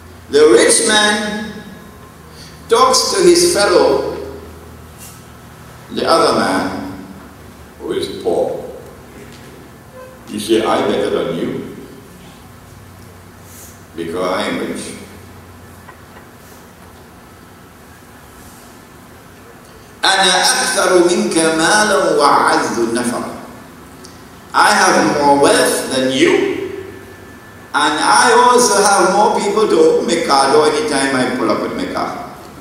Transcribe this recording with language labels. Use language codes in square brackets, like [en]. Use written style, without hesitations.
[en] The rich man talks to his fellow, the other man, who is poor. You say, I'm better than you, because I'm rich. [ar] أَنَا أَكْثَرُ مِنْكَ مَالًا وَعَزُّ نَفَرًا. [en] I have more wealth than you, and I also have more people to open my car door anytime I pull up with my car.